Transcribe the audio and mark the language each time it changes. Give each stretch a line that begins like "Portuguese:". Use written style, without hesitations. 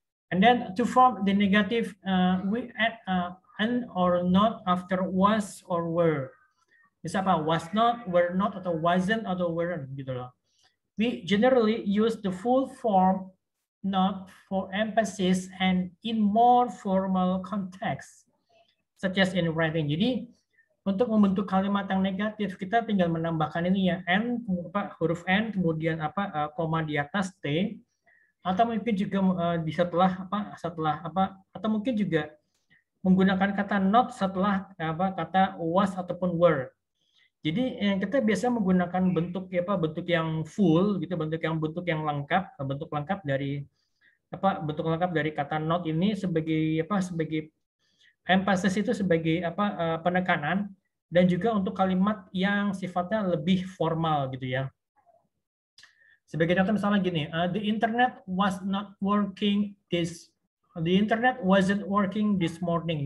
English: And then to form the negative, we add an or not after was or were.
Indonesian: Bisa apa?
English: Was not, were not,
Indonesian: atau
English: wasn't, atau weren't.
Indonesian: Gitu loh.
English: We generally use the full form not for emphasis and in more formal context, such as in writing.
Indonesian: Jadi, untuk membentuk kalimat yang negatif kita tinggal menambahkan ini ya n apa, huruf n kemudian apa koma di atas t atau mungkin juga di setelah apa atau mungkin juga menggunakan kata not setelah apa kata was ataupun were. Jadi kita biasa menggunakan bentuk ya, apa bentuk yang full gitu bentuk lengkap dari kata not ini sebagai apa sebagai emphasis itu sebagai apa penekanan dan juga untuk kalimat yang sifatnya lebih formal gitu ya. Sebagai contoh misalnya gini,
English: the internet was not working this the internet wasn't working this morning.